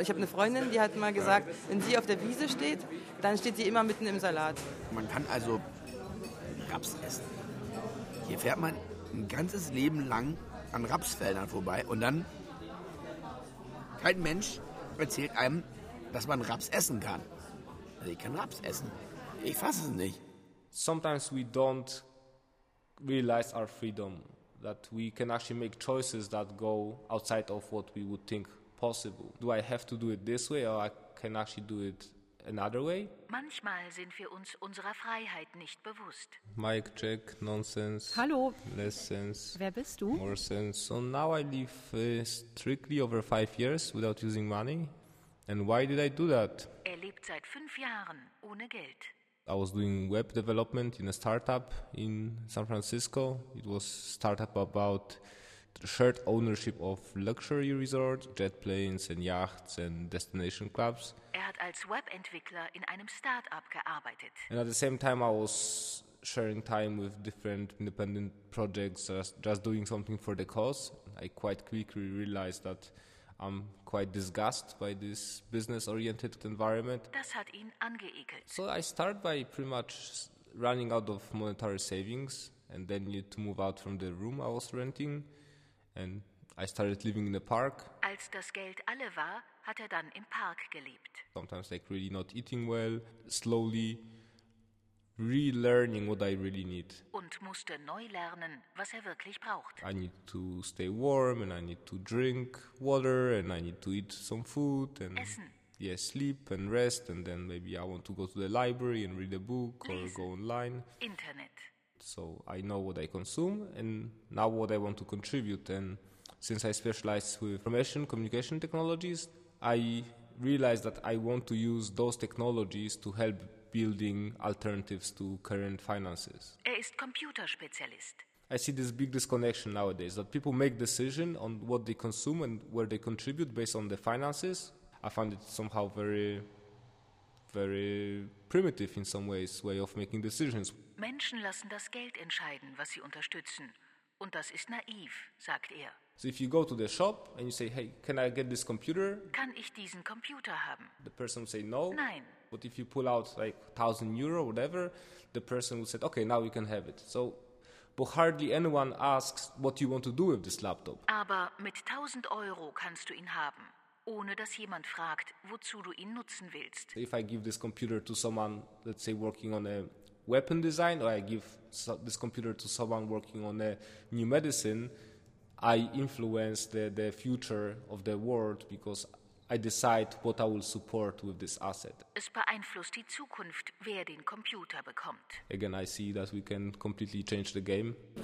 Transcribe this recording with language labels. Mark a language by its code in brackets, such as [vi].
[de] Ich habe eine Freundin, die hat mal gesagt, wenn sie auf der Wiese steht, dann steht sie immer mitten im Salat. Man kann also Raps essen. Hier fährt man ein ganzes Leben lang an Rapsfeldern vorbei und dann kein Mensch erzählt einem, dass man Raps essen kann. Also ich kann Raps essen. Ich fasse es nicht. [en] Sometimes we don't realize our freedom, that we can actually make choices that go outside of what we would think possible. Do I have to do it this way or I can actually do it another way? [de] Manchmal sind wir uns unserer Freiheit nicht bewusst. [en] Mic check, nonsense. [de] Hallo. [en] Less sense. [de] Wer bist du? [en] More sense. So now I live strictly over 5 years without using money. And why did I do that? [de] Er lebt seit 5 Jahren ohne Geld. [en] I was doing web development in a startup in San Francisco. It was startup about the shared ownership of luxury resorts, jet planes and yachts and destination clubs. [de] Er hat als Webentwickler in einem Startup gearbeitet. [en] And at the same time I was sharing time with different independent projects, just doing something for the cause. I quite quickly realized that I'm quite disgusted by this business-oriented environment. [de] Das hat ihn angeekelt. [en] So I start by pretty much running out of monetary savings and then need to move out from the room I was renting. And I started living in the park. [de] Als das Geld alle war, hat dann im Park gelebt. [en] Sometimes like really not eating well, slowly relearning what I really need. [de] Und musste neu lernen, was wirklich braucht. [en] I need to stay warm and I need to drink water and I need to eat some food and [de] Essen. [en] Yeah, sleep and rest and then maybe I want to go to the library and read a book [de] Lesen. [en] Or go online. [de] Internet. [en] So I know what I consume and now what I want to contribute. And since I specialize with information communication technologies, I realized that I want to use those technologies to help building alternatives to current finances. [de] Er ist Computerspezialist. [en] I see this big disconnection nowadays, that people make decisions on what they consume and where they contribute based on their finances. I find it somehow very, very primitive in some ways, way of making decisions. [de] Menschen lassen das Geld entscheiden, was sie unterstützen. Und das ist naiv, sagt er. [en] So if you go to the shop and you say, hey, can I get this computer? [de] Kann ich diesen Computer haben? [en] The person will say no. [de] Nein. [en] But if you pull out like 1,000 euro, whatever, the person will say, okay, now you can have it. So, but hardly anyone asks what you want to do with this laptop. [de] Aber mit 1,000 euro kannst du ihn haben, ohne dass jemand fragt, wozu du ihn nutzen willst. [en] If I give this computer to someone, let's say, working on a weapon design, or I give this computer to someone working on a new medicine, I influence the future of the world because I decide what I will support with this asset. [de] Es beeinflusst die Zukunft, wer den Computer bekommt. [en] Again, I see that we can completely change the game.